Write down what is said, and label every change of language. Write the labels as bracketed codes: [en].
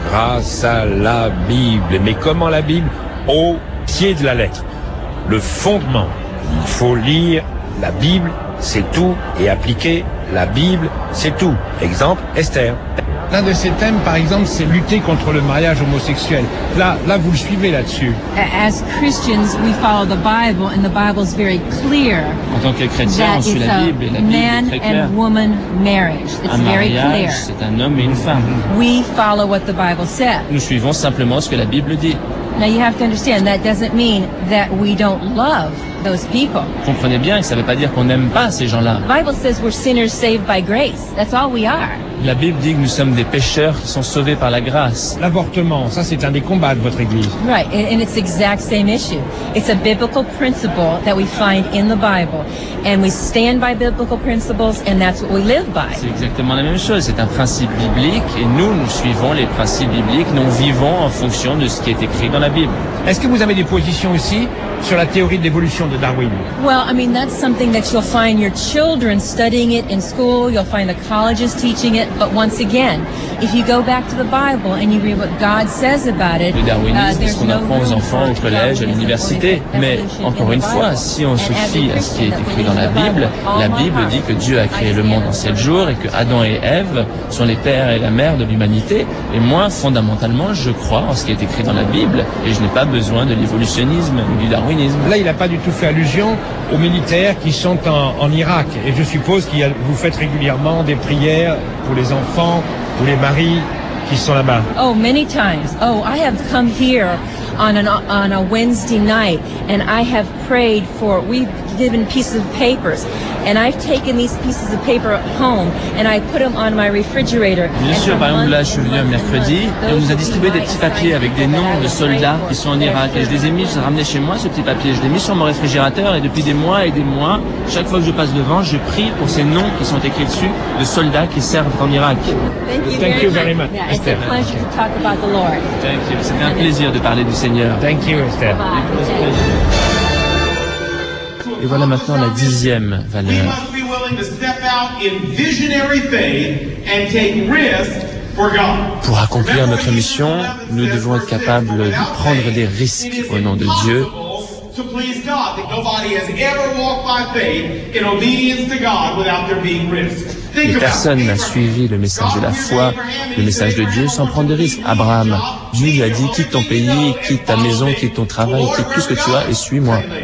[fr] Grâce à la Bible. Mais comment la Bible? Au pied de la lettre. Le fondement. Il faut lire la Bible, c'est tout. Et appliquer la Bible, c'est tout. Exemple, Esther. L'un de ses thèmes, par exemple, c'est lutter contre le mariage homosexuel. Là, vous le suivez là-dessus. [en] As Christians, we follow the Bible, and the Bible is very clear. [fr] En tant que chrétien, on suit la Bible, et la Bible est très claire. [en] Man and woman marriage. It's [fr] un mariage, [en] very clear. [fr] C'est un homme et une femme. [en] We follow what the Bible says. [fr] Nous suivons simplement ce que la Bible dit. [en] Now you have to understand that doesn't mean that we don't love those people. [fr] Comprenez bien, ça ne veut pas dire qu'on n'aime pas ces gens-là. [en] The Bible says we're sinners saved by grace. That's all we are. [fr] La Bible dit que nous sommes des pécheurs qui sont sauvés par la grâce. L'avortement, ça c'est un des combats de votre église. [en] Right, and it's the exact same issue. It's a biblical principle that we find in the Bible. And we stand by biblical principles and that's what we live by. [fr] C'est exactement la même chose. C'est un principe biblique et nous suivons les principes bibliques. Nous vivons en fonction de ce qui est écrit dans la Bible. Est-ce que vous avez des positions aussi sur la théorie de l'évolution de Darwin? [en] Well, I mean, that's something that you'll find your children studying it in school. You'll find the colleges teaching it. But once again, if you go back to the Bible and you read what God says about it, [fr] le darwinisme, c'est ce qu'on apprend aux enfants au collège, à l'université. Mais encore une fois, si on se fie à ce qui est écrit dans la Bible dit que Dieu a créé le monde en 7 jours et que Adam et Ève sont les pères et la mère de l'humanité. Et moi, fondamentalement, je crois en ce qui est écrit dans la Bible et je n'ai pas besoin de l'évolutionnisme ou du darwinisme. Là, il n'a pas du tout fait allusion aux militaires qui sont en Irak. Et je suppose que vous faites régulièrement des prières pour les enfants ou les maris qui sont là-bas. [en] Oh, many times. Oh, I have come here on a Wednesday night and I have prayed for, we've given pieces of papers. And I've taken these pieces of paper home and I put them on my refrigerator. [fr] Bien sûr, par exemple, là, je suis venu un mercredi et on nous a distribué des petits papiers avec des noms de soldats qui sont en Irak. Et je les ai mis, je les ai ramenés chez moi, ce petit papier. Je l'ai mis sur mon réfrigérateur et depuis des mois et des mois, chaque fois que je passe devant, je prie pour ces noms qui sont écrits dessus de soldats qui servent en Irak. [en] Thank you very much. It's a pleasure to talk about the Lord. [fr] Thank you. C'était un plaisir de parler du Seigneur. [en] Thank you, Esther. [fr] Et voilà maintenant la dixième valeur. [en] We must be willing to step out in visionary faith and take risks for God. [fr] Pour accomplir notre mission, nous devons être capables de prendre des risques au nom de Dieu. [en] To please God, that nobody has ever walked by faith in obedience to God without there being risks. [fr] Et personne n'a suivi le message de la foi, le message de Dieu, sans prendre de risques. Abraham, Dieu lui a dit, quitte ton pays, quitte ta maison, quitte ton travail, quitte tout ce que tu as et suis-moi.